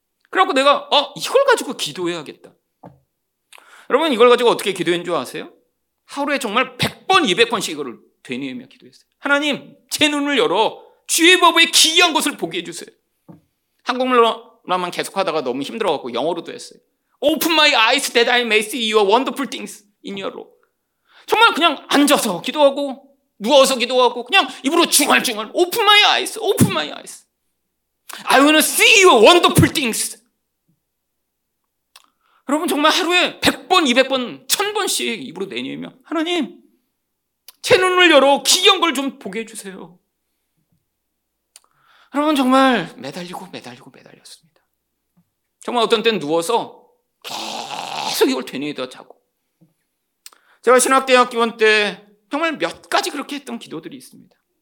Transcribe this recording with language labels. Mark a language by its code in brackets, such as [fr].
[ko] 그래갖고 내가 이걸 가지고 기도해야겠다. 여러분 이걸 가지고 어떻게 기도했는 줄 아세요? 하루에 정말 100번, 200번씩 이거를 되뇌며 기도했어요. 하나님 제 눈을 열어 주의 법의 기이한 것을 보게 해주세요. 한국말로만 계속하다가 너무 힘들어갖고 영어로도 했어요. [en] Open my eyes that I may see your wonderful things in your law. [ko] 정말 그냥 앉아서 기도하고 누워서 기도하고 그냥 입으로 중얼중얼 [en] Open my eyes, open my eyes. I want to see your wonderful things. [ko] 여러분 정말 하루에 100번, 200번, 1000번씩 입으로 내뉘며 하나님 제 눈을 열어 기이한 걸 좀 보게 해주세요. 여러분 정말 매달리고 매달리고 매달렸습니다. 정말 어떤 때는 누워서 계속 이걸 되뇌다 자고 제가 신학대학교원 때 정말 몇 가지 그렇게 했던 기도들이 있습니다.